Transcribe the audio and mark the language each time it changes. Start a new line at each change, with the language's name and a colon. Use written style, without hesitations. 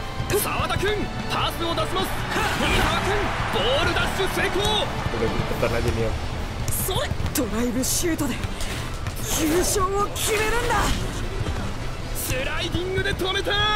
Japanese: Sawada-kun, pass を出します. Miha-kun, ball dash 成功.
Indonesian: Udah, bentar aja Liam.
Japanese: Drive shoot で優勝を決めるんだ。スライディングで止めた。